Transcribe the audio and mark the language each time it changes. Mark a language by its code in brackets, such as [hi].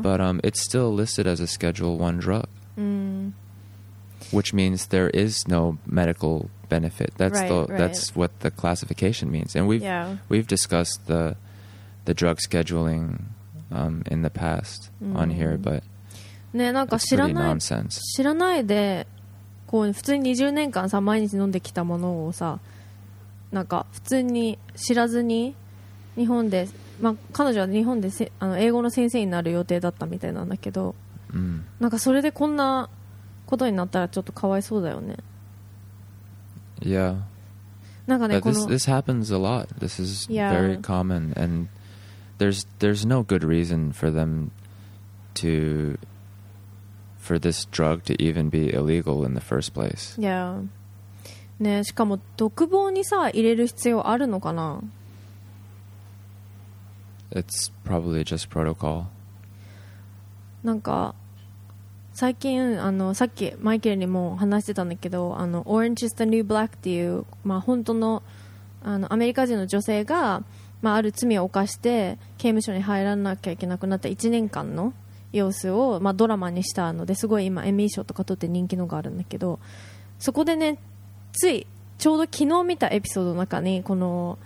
[en] But it's still listed as a Schedule 1 drug. Mm. Which means there is no medical benefit. That's right, the right. That's what the classification means. And we've discussed the drug scheduling in the past on here, but it's pretty nonsense. [ja] 知らないで、こう普通に20年間さ毎日飲んできたものをさ、なんか普通に知らずに日本で、まあ、彼女は日本であの英語の先生になる予定だったみたいなんだけど、うん、なんかそれでこんなことになったらちょっとかわいそうだよね。 [en] Yeah. [ja] なんかね、 [en] But、この this happens a lot. This is、 yeah. very common, and there's no good reason for them to for this drug to even be illegal in the first place. Yeah. [ja] ね、しかも独房にさ入れる必要あるのかな。 [en] It's probably just protocol. [ja] なんか最近あのさっきマイケルにも話してたんだけど、あの Orange is the New Black っていう、まあ、本当 の、 あのアメリカ人の女性が、まあ、ある罪を犯して刑務所に入らなきゃいけなくなった1年間の様子を、まあ、ドラマにしたので、すごい今エミー賞とか取って人気のがあるんだけど、そこでね、ついちょうど昨日見たエピソードの中にこの